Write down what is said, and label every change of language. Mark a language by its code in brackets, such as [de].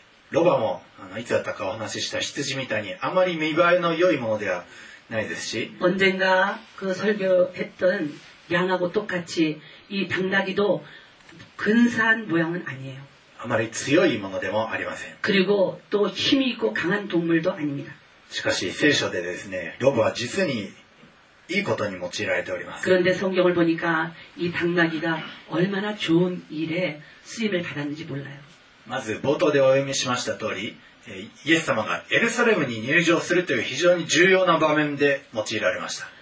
[ja] ロバもいつだったかお話しした羊みたいにあまり見栄えの良いものではないですし、 [ko] 언젠가그설교했던양하고똑같이이당나귀도근사한모양은아니에요。 [ja] あまり強いものでもありません。 [ko] 그리고또힘이있고강한동물도아닙니다。 [ja] しかし聖書でですね、ロバは実にいいことに用いられております。 [ko] 그런데성경을보니까이당나귀가얼마나좋은일에쓰임을받았는지몰라요。 [ja] まず冒頭でお読みしました通り、イエス様がエルサレムに入場するという非常に重要な場面で用いられました。